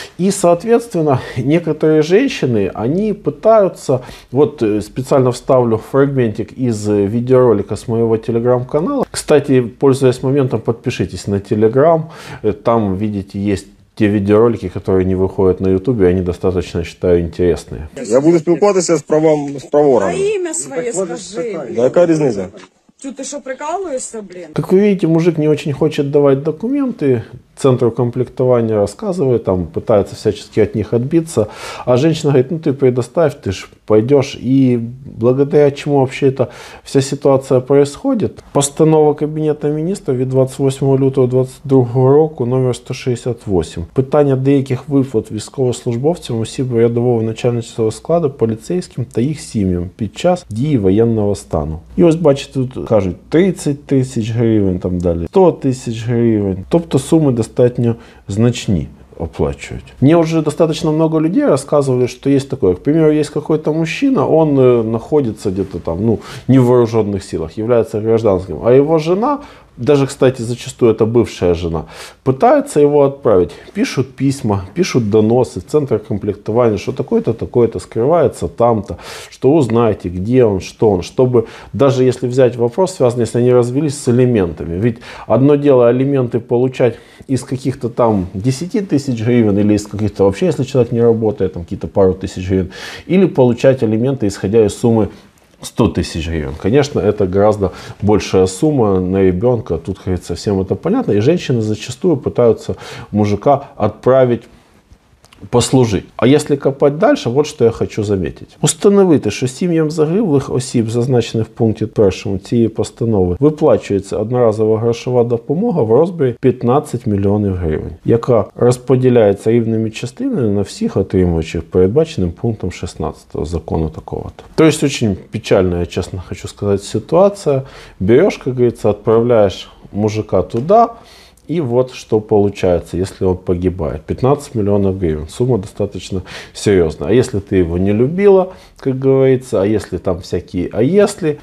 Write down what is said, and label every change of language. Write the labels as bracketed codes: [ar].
[ru] И, соответственно, некоторые женщины, они пытаются, вот специально вставлю фрагментик из видеоролика с моего телеграм-канала. Кстати, пользуясь моментом, подпишитесь на телеграм. Там, видите, есть те видеоролики, которые не выходят на ютубе, они достаточно, считаю, интересные. [uk] Я буду спілкуватися с правом, с правором. [ru] А имя своё скажи. Да какая разница? Ты что, прикалываешься, блин? Как вы видите, мужик не очень хочет давать документы. Центру комплектования рассказывает, там пытается всячески от них отбиться. А женщина говорит, ну ты предоставь, ты ж пойдешь. И благодаря чему вообще эта вся ситуация происходит? [uk] Постанова Кабинета министров від 28 лютого 2022 року номер 168. Питання деяких виплат військовослужбовцям, осіб рядового начальницького складу, поліцейським та їх сім'ям під час дії воєнного стану. І ось бачите, тут кажуть 30 тисяч гривень, там далі 100 тысяч гривень. Тобто суми достатньо значні оплачують. Мені вже достатньо багато людей розказували, що є таке. [ru] К примеру, [uk] є якийсь [ru] мужчина, [uk] він знаходиться [ru] где-то там, ну, не в вооружених силах, являється гражданским, а [uk] його [ru] жена, даже, кстати, зачастую это бывшая жена, пытается его отправить. Пишут письма, пишут доносы в центр комплектования, что такое-то, такое-то скрывается там-то, что узнаете, где он, что он, чтобы даже если взять вопрос, связанный, если они развелись с алиментами. Ведь одно дело алименты получать из каких-то там 10 тысяч гривен или из каких-то вообще, если человек не работает, там какие-то пару тысяч гривен, или получать алименты, исходя из суммы 100 тысяч гривен. Конечно, это гораздо большая сумма на ребенка. Тут, кажется, всем это понятно. И женщины зачастую пытаются мужика отправить послужить. А если копать дальше, вот что я хочу заметить. [uk] Установите, что семьям загиблих осіб, зазначених в пункте 1 цієї постанови, виплачується одноразова грошова допомога в розмірі 15 мільйонів гривень, яка розподіляється рівними частинами на всіх отримувачів, передбаченим пунктом 16 закону такого-то. [ru] То есть очень печальная, честно хочу сказать, ситуация. Берешь, как говорится, отправляешь мужика туда, и вот что получается, если он погибает. 15 миллионов гривен. Сумма достаточно серьезная. А если ты его не любила, как говорится, а если там всякие, а если...